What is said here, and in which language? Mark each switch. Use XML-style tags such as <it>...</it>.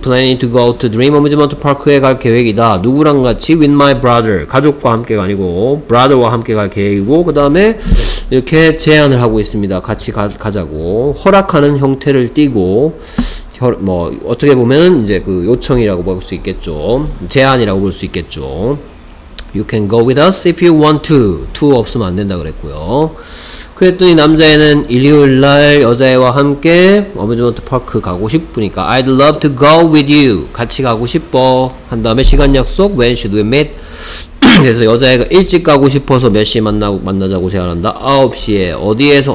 <en>Planning to go to Dream Amusement Park에</en> <ko>갈 계획이다. 누구랑 같이?</ko> <en>With my brother.</en> <ko>가족과 함께가 아니고 brother와 함께 갈 계획이고 그 다음에 이렇게 제안을 하고 있습니다. 같이 가자고 허락하는 형태를 띄고 뭐 어떻게 보면 이제 그 요청이라고 볼 수 있겠죠. 제안이라고 볼 수 있겠죠.</ko> <en>You can go with us if you want to.</en> <ko>To 없으면 안 된다 그랬고요. 그랬더니 남자애는 일요일 날 여자애와 함께 어뮤즈먼트 파크 가고 싶으니까</ko> <en>I'd love to go with you.</en> <ko>같이 가고 싶어. 한 다음에 시간 약속</ko> <en>When should we meet?</en> <ko>그래서 여자애가 일찍 가고 싶어서 몇 시에 만나자고 제안한다. 9시에. 어디에서?</ko>